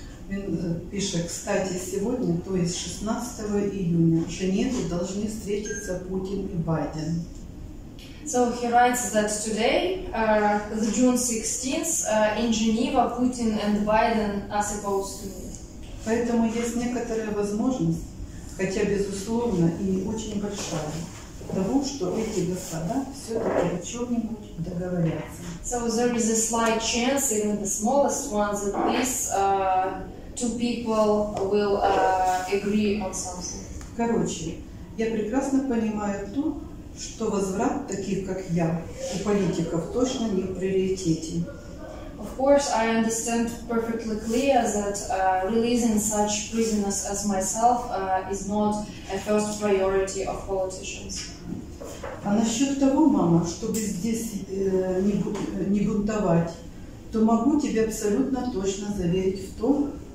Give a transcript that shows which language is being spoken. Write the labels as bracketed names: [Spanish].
[Ukrainian] Він пише, [Russian] кстати, [Ukrainian] сьогодні, [Russian] то есть 16 июня, [Ukrainian] що [Russian] нету, должны встретиться Путін і Байден. [English] So he writes that today, the June 16th, in Geneva, Putin and Biden are supposed to meet. [Russian] Поэтому есть некоторая возможность, хотя безусловно и очень большая, того, что эти господа все-таки о чем-нибудь договорятся. [English] So there is a slight chance, even the smallest one, that this two people will agree on something. [Russian] Короче, я прекрасно понимаю то, что возврат таких, как я, у политиков точно не в приоритете. [English] Of course, I understand perfectly clear that releasing such prisoners as myself is not a first priority of politicians. [Russian] А насчет того, мама, чтобы здесь не бунтовать, то могу тебе абсолютно точно заверить в том,